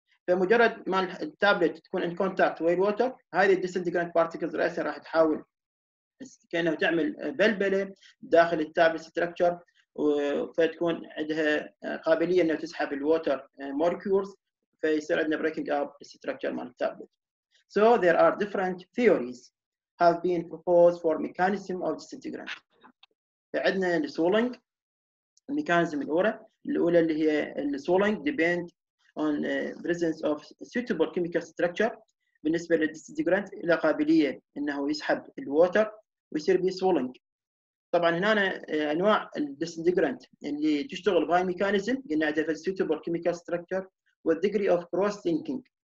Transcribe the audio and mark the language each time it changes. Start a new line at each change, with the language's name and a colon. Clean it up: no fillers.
Arabic: فمجرد ما التابلت تكون ان كونتاكت ويا الووتر، هذه الديسنتجرانت بارتكلز راسا راح تحاول كانها تعمل بلبله داخل التابلت ستراكشر، فتكون عندها قابليه انها تسحب الووتر موليكيولز، فيصير عندنا بريكنج اب ستراكشر مال التابلت.
English: So there are different theories have been proposed for mechanism of disintegrant.
Arabic: فعندنا السولينج الميكانيزم الاولى اللي هي السولينج ديبند
English: on presence of suitable chemical structure
Arabic: بالنسبه للديسنتجرانت الى قابليه انه يسحب الووتر ويصير بي سولينج. طبعا هنا انواع الديسنتجرانت اللي تشتغل بهاي الميكانيزم قلنا عندها
English: suitable chemical structure
Arabic: وال
English: degree of cross linking.